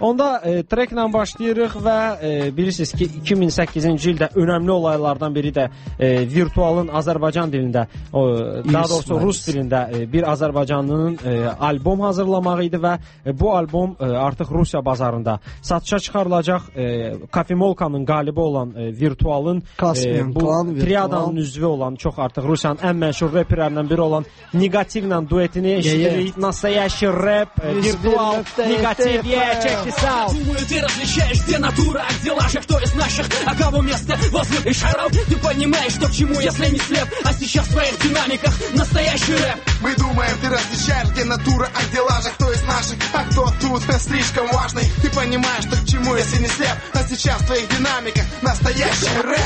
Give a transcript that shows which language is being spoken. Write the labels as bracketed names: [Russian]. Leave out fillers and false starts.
[Azerbaijani] Onda treklə başlayırıq və bilirsiniz ki, 2008-ci ildə önəmli olaylardan biri də Virtualın Azərbaycan dilində, daha doğrusu Rus dilində bir Azərbaycanlının albom hazırlamağı idi və bu albom artıq Rusiya bazarında satışa çıxarılacaq. Kafemolka'nın qalibi olan Virtualın bu triadanın üzvü olan, çox artıq Rusiyanın ən məşhur rapperlərindən biri olan Negativlə duetini eşidirik. [English] Nastoyashchi rap Virtual Negativ, yeah, check this out. [Russian] Ты мой ты различаешь, где натура, а где лажа, кто из наших, а кого место возле и шарал, ты понимаешь, что к чему, если не слеп, а сейчас в твоих динамиках настоящий рэп. Мы думаем, ты различаешь, где натура, а где лажа, кто из наших, а кто тут слишком важный, ты понимаешь, что к чему, если не слеп, а сейчас в твоих динамика, настоящий рэп.